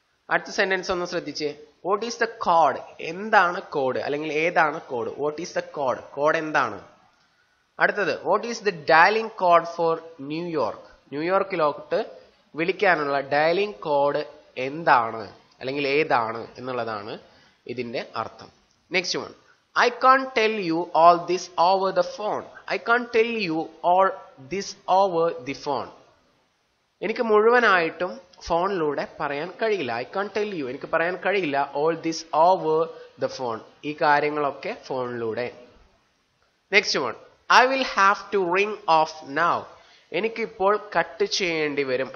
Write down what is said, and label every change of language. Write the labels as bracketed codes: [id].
[ml] അടുത്ത സെന്റൻസ് ഒന്ന് ശ്രദ്ധിച്ചേ. [en] what is the code, [ml] എന്താണ് കോഡ്, അല്ലെങ്കിൽ ഏതാണ് code. [en] what is the code, [ml] code എന്താണ്. അടുത്തത്, [en] What is the dialing code for New York. [ml] ന്യൂയോർക്കിലോട്ട് വിളിക്കാനുള്ള ഡയലിംഗ് കോഡ് എന്താണ് അല്ലെങ്കിൽ ഏതാണ് എന്നുള്ളതാണ് ഇതിന്റെ അർത്ഥം. [en] Next one, I can't tell you all this over the phone. I can't tell you all this over the phone. [ml] എനിക്ക് മുഴുവനായിട്ടും ഫോണിലൂടെ പറയാൻ കഴിയില്ല. [en] I can tell you, [ml] എനിക്ക് പറയാൻ കഴിയില്ല [en] all this over the phone, [ml] ഈ കാര്യങ്ങളൊക്കെ ഫോണിലൂടെ. [en] next one, I will have to ring off now, [ml] എനിക്കിപ്പോൾ കട്ട് ചെയ്യേണ്ടി വരും.